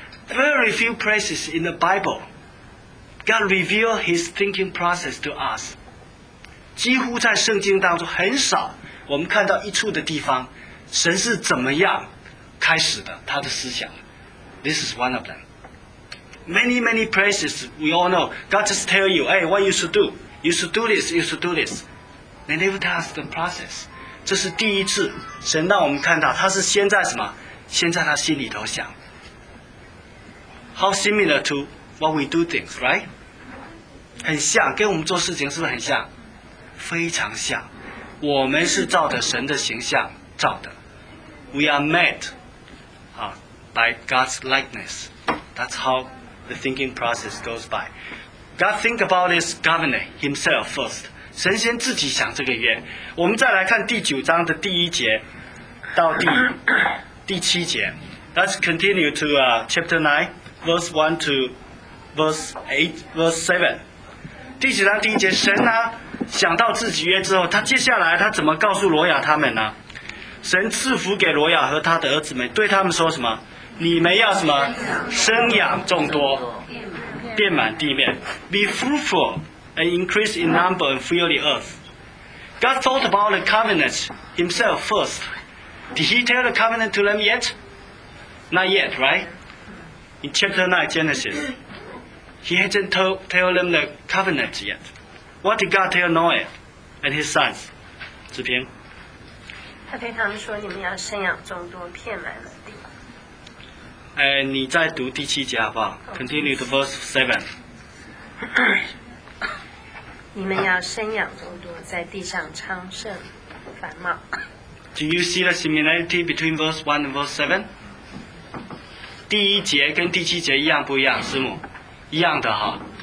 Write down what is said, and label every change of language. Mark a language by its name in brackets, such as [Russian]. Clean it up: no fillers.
[English] Very few places in the Bible, God revealed his thinking process to us. [Chinese] 几乎在圣经当中很少我们看到一处的地方神是怎么样开始的他的思想。 [English] This is one of them. Many, many places we all know, God just tell you, hey, what you should do? You should do this, you should do this. They never tell us the process. [Chinese] 这是第一次神让我们看到他是先在什么？先在他心里头想。 [English] How similar to what we do things, right? [Chinese] 很像，跟我们做事情是不是很像？非常像。我们是照着神的形象照的。 [English] We are made, by God's likeness. That's how the thinking process goes by. God think about this covenant himself first. [Chinese] 神先自己想这个约。我们再来看第九章的第一节到第七节。 [English] Let's continue to chapter 9. Verse 1 to verse 8, verse 7. [Chinese] 第几章第一节，神啊，想到自己约之后，他接下来他怎么告诉挪亚他们呢？神赐福给挪亚和他的儿子们，对他们说什么？你们要什么？生养众多，遍满地面。 [English] Be fruitful and increase in number and fill the earth. God thought about the covenant himself first. Did he tell the covenant to them yet? Not yet, right? In chapter 9, Genesis, he hasn't told them the covenant yet. What did God tell Noah and his sons? [Chinese] 子平，他对他们说：“你们要生养众多，遍满了地。” 哎，你再读第七节好不好 ？ [English] Continue to verse 7. [Chinese] 你们要生养众多，在地上昌盛繁茂。 [English] Do you see the similarity between verse 1 and verse 7? [Chinese] 第一节跟第七节一样不一样，师母，一样的哈。